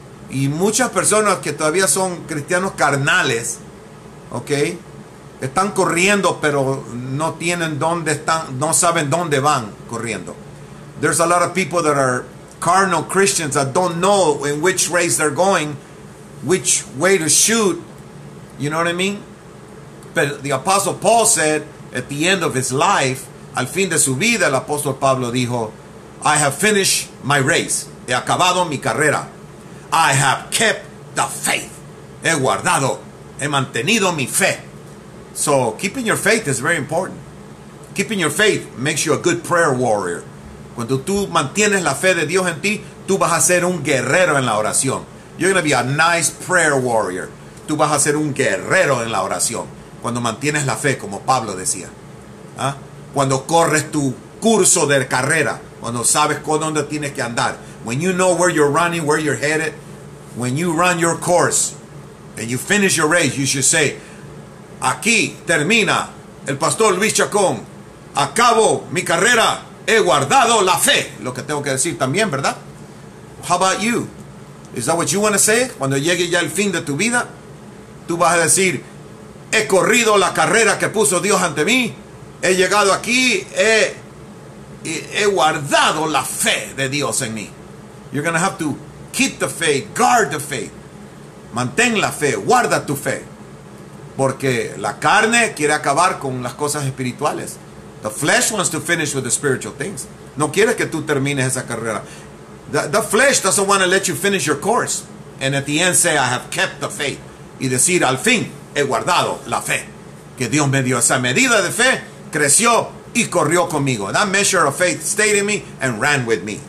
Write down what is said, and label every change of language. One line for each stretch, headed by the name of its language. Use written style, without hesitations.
Spanish: Y muchas personas que todavía son cristianos carnales, ¿ok? Están corriendo, pero no tienen dónde están, no saben dónde van corriendo.
English: There's a lot of people that are carnal Christians that don't know in which race they're going, which way to shoot, you know what I mean? But the Apostle Paul said at the end of his life,
Spanish: al fin de su vida, el Apostle Pablo dijo,
English: I have finished my race,
Spanish: he acabado mi carrera,
English: I have kept the faith,
Spanish: he guardado, he mantenido mi fe.
English: So keeping your faith is very important. Keeping your faith makes you a good prayer warrior.
Spanish: Cuando tú mantienes la fe de Dios en ti, tú vas a ser un guerrero en la oración.
English: You're going to be a nice prayer warrior.
Spanish: Tú vas a ser un guerrero en la oración. Cuando mantienes la fe, como Pablo decía. ¿Ah? Cuando corres tu curso de carrera. Cuando sabes con dónde tienes que andar.
English: When you know where you're running, where you're headed. When you run your course and you finish your race, you should say,
Spanish: aquí termina el pastor Luis Chacón. Acabo mi carrera. He guardado la fe. Lo que tengo que decir también, ¿verdad?
English: How about you? Is that what you want to say?
Spanish: Cuando llegue ya el fin de tu vida, tú vas a decir, he corrido la carrera que puso Dios ante mí. He llegado aquí. He guardado la fe de Dios en mí.
English: You're going to have to keep the faith, guard the faith.
Spanish: Mantén la fe, guarda tu fe. Porque la carne quiere acabar con las cosas espirituales.
English: The flesh wants to finish with the spiritual things.
Spanish: No quiere que tú termines esa carrera.
English: The flesh doesn't want to let you finish your course. And at the end say, I have kept the faith.
Spanish: Y decir, al fin, he guardado la fe. Que Dios me dio esa medida de fe, creció y corrió conmigo.
English: That measure of faith stayed in me and ran with me.